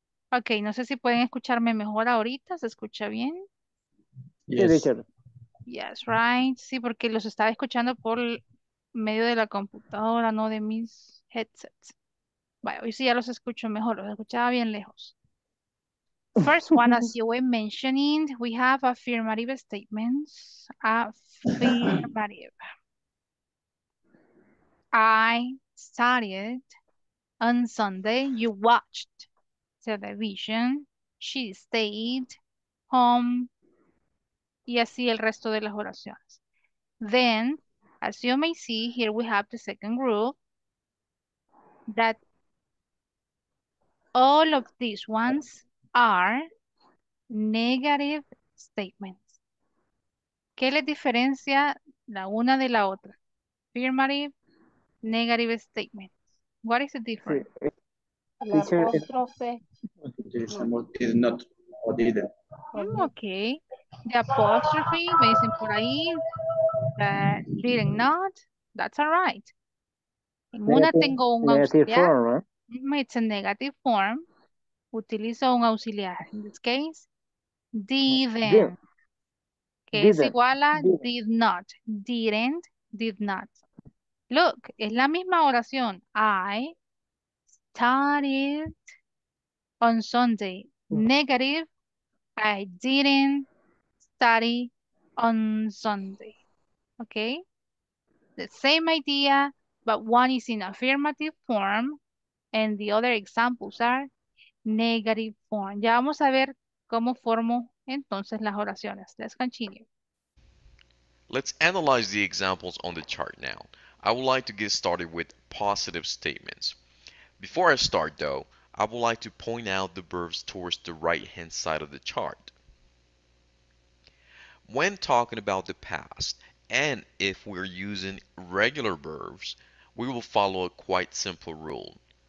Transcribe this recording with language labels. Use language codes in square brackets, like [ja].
[es] Okay, no sé si pueden escucharme mejor ahorita, ¿se escucha bien? [en] Yes. Yes, right. [es] Sí, porque los estaba escuchando por medio de la computadora, no de mis headsets. Bueno, hoy sí ya los escucho mejor, los escuchaba bien lejos. [en] First one, as you were mentioning, we have affirmative statements. Affirmative. I studied on Sunday. You watched television. She stayed home. [es] Y así el resto de las oraciones. [en] Then, as you may see, here we have the second group. That all of these ones are negative statements. [es] ¿Qué les diferencia la una de la otra? [en] Affirmative, negative statements. What is the difference? [es] La apóstrofe. [en] Did not or didn't. Okay. The apostrophe, [es] me dicen por ahí. [en] Didn't not. That's all right. [es] En una tengo un auxiliar. [en] Form, right? It's a negative form. [es] Utilizo un auxiliar. [en] In this case, didn't. Que didn't. Es igual a didn't. Did not. Didn't, did not. Look, [es] es la misma oración. [en] I started on Sunday. Negative. I didn't study on Sunday. Okay? The same idea, but one is in affirmative form and the other examples are negative form. [es] Ya vamos a ver cómo formo entonces las oraciones. [en] Let's continue. Let's analyze the examples on the chart now. I would like to get started with positive statements. Before I start though, I would like to point out the verbs towards the right-hand side of the chart. When talking about the past, and if we're using regular verbs, we will follow a quite simple rule.